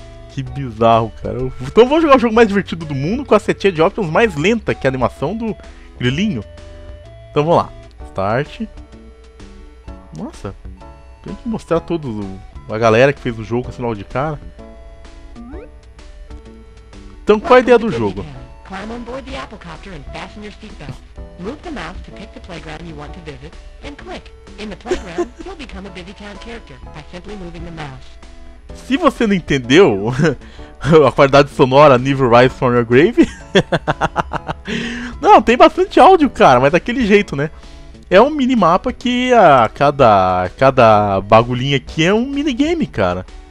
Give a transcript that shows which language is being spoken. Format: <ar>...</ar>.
<pt>Que bizarro, cara. Então vou jogar o jogo mais divertido do mundo com a setinha de options mais lenta que a animação do grilinho. Então vamos lá. Start. Nossa. Tem que mostrar todo a galera que fez o jogo assim logo de cara. Então qual é a ideia do jogo?</pt> <en>Climb on board the Apple Copter and fasten your seatbelt. Move the mouse to pick the playground you want to visit and click. In the playground, you'll become a busy town character by simply moving the mouse.</en> <pt>Se você não entendeu a qualidade sonora nível Rise from Your Grave, não, tem bastante áudio, cara, mas daquele jeito, né? É um minimapa que cada bagulhinho aqui é um minigame, cara.</pt>